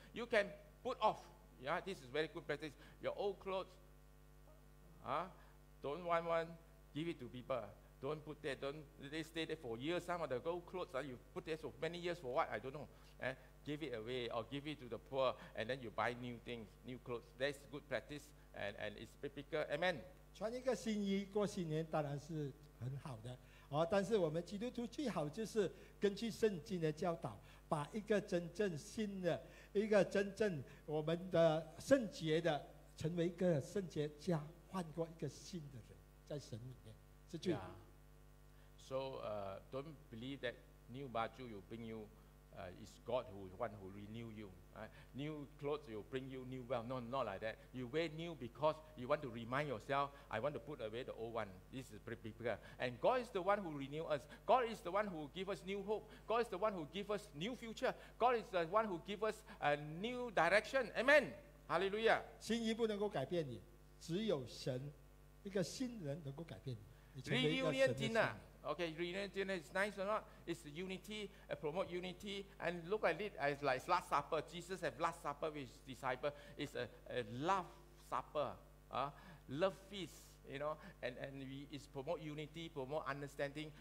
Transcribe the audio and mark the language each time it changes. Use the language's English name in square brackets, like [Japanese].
[English] You can put off. Yeah, this is very good practice. Your old clothes, don't want one, give it to people. Don't put there, they stay there for years. Some of the old clothes, you put there for many years for what? I don't know. Give it away or give it to the poor, and then you buy new things, new clothes. That's good practice, and it's biblical. Amen. [Chinese] 穿一个新衣过新年当然是很好的, 但是我们基督徒最好就是根据圣经的教导, 把一个真正新的, 一个真正我们的圣洁的, 成为一个圣洁家, 换过一个新的人, 在神里面, 是最好的。 [English] Yeah. So don't believe that new baju will bring you, is God who is one who renew you. New clothes will bring you new wealth. No, not like that. You wear new because you want to remind yourself, I want to put away the old one. This is biblical. And God is the one who renew us. God is the one who give us new hope. God is the one who give us new future. God is the one who give us a new direction. Amen. Hallelujah. [Chinese] 心意不能够改变你, 只有神一个新人能够改变你, [English] reunion dinner. Okay, reunion dinner is nice or not? It's unity, promote unity, and look at it as like last supper. Jesus had last supper with his disciples. It's a love supper, love feast. you know, and we is promote unity, promote understanding.